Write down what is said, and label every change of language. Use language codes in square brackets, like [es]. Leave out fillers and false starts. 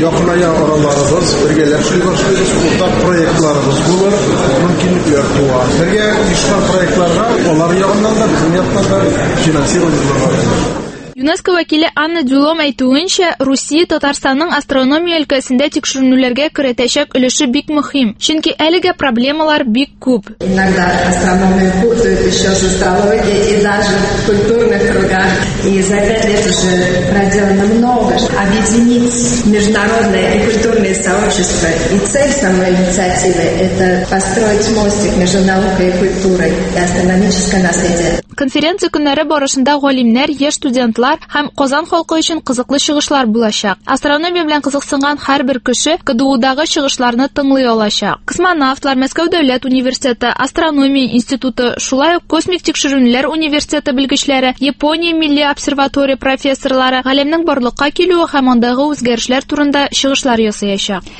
[tt] Якыная араларыбыз, бергәләшү башлыйбыз, уртак проектларыбыз булыр. Мөмкинлекләр туа. Бергә оешкан проектларга алар ягыннан да, безнең яктан да финансирование. ЮНЕСКО вәкиле Анна Дюлом әйтүенчә, Русия Татарстанның астрономия өлкәсендә тикшеренүләргә керетәчәк өлеше бик мөһим, чөнки әлегә проблемалар бик күп. [ru] Иногда астрономию путают еще с астрологией и даже в культурных кругах. И за 5 лет уже проделано много. Объединить международное и культурное сообщество. И цель самой инициативы – это построить мостик между наукой и культурой и астрономическое наследие. [tt] Конференция көннәре барышында галимнәр, яшь студентлар һәм Казан халкы өчен кызыклы чыгышлар булачак. Астрономия белән кызыксынган һәрбер кеше КДУдагы чыгышларны тыңлый алачак. Космонавтлар, Мәскәү дәүләт университеты, астрономия институты, шулай ук космик тикшеренүләр университеты белгечләре, Япония милли обсерватория профессорлары галимнең барлыкка килүе һәм андагы үзгәрешләр турында чыгышлар ясаячак.